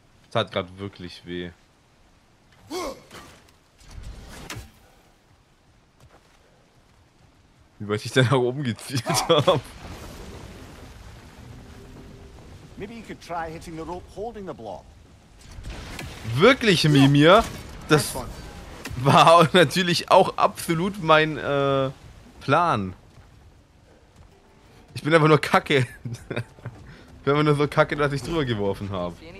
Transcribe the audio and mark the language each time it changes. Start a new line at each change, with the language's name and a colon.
German: Das hat gerade wirklich weh. Wie weit ich da nach oben gezielt habe.
English: Maybe you could try hitting the rope holding the block.
German: Wirklich, Mimir? Das war natürlich auch absolut mein Plan. Ich bin einfach nur kacke. Ich bin einfach nur so kacke, dass ich drüber geworfen habe.